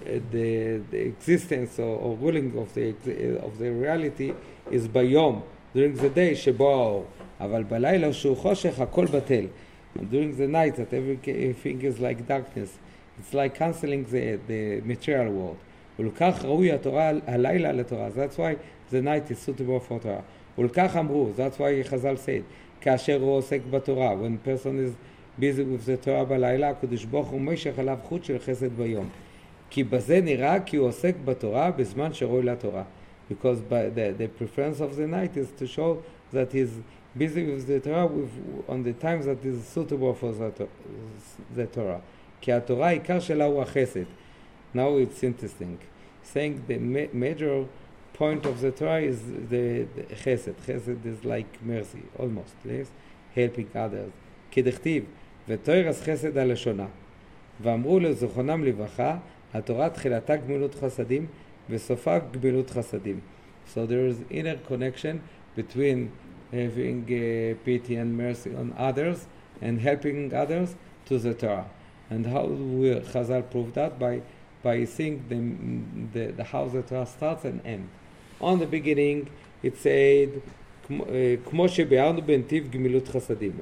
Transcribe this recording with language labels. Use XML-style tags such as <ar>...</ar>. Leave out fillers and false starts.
<en>the existence or ruling of the reality is</en> <he>ביום,</he> <en>during the day</en> <he>שבו האור, אבל בלילה שהוא חושך הכל בטל.</he> <en>And during the night that everything is like darkness, it's like canceling the material world.</en> <he>ולכך ראוי התורה הלילה לתורה.</he> <en>That's why the night is suitable for Torah.</en> <he>ולכך אמרו,</he> <en>that's why</en> <he>חזל said, כאשר הוא עוסק בתורה,</he> <en>when a person is busy with the Torah</en> <he>בלילה, הקדוש ברוך הוא משך עליו חוט של חסד ביום. כי בזה נראה כי הוא עוסק בתורה בזמן שרואי לתורה.</he> <en>Because the preference of the night is to show that he's busy with the Torah on the times that is suitable for the Torah.</en> <he>כי התורה העיקר שלה הוא החסד.</he> <en>Now it's interesting. Saying the major point of the Torah is the chesed. Chesed is like mercy, almost. Yes? Helping others.</en> <he>כדכתיב, ותוירס חסד הלשונה. ואמרו לזכונם לברכה, התורה תחילתה גמילות חסדים, וסופה גמילות חסדים.</he> <en>So there is inner connection between having pity and mercy on others and helping others to the Torah. And how will Chazal prove that? By seeing the how the Torah starts and ends. On the beginning, it said,</en> <he>כמו שביארנו בנתיב גמילות חסדים.</he>